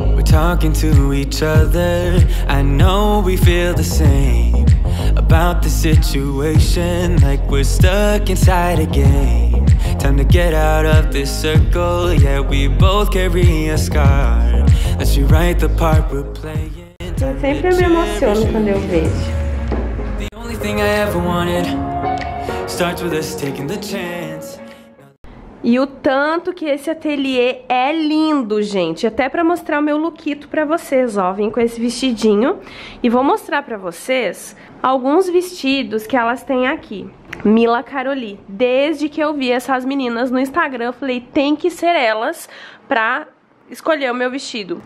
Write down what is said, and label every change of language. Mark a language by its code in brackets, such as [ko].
[en] Talking to each other, I know we feel the same about the situation, like we're stuck inside a game. Time to get out of this circle, yeah, we both carry a scar. Let's rewrite the part we're playing. [pt] Eu sempre me emociono quando eu vejo. [en] The only thing I ever wanted starts with us taking the chance. [pt] E o tanto que esse ateliê é lindo, gente. Até pra mostrar o meu lookito pra vocês, ó. Vim com esse vestidinho. E vou mostrar pra vocês alguns vestidos que elas têm aqui. Mila Caroli. Desde que eu vi essas meninas no Instagram, eu falei, tem que ser elas pra escolher o meu vestido.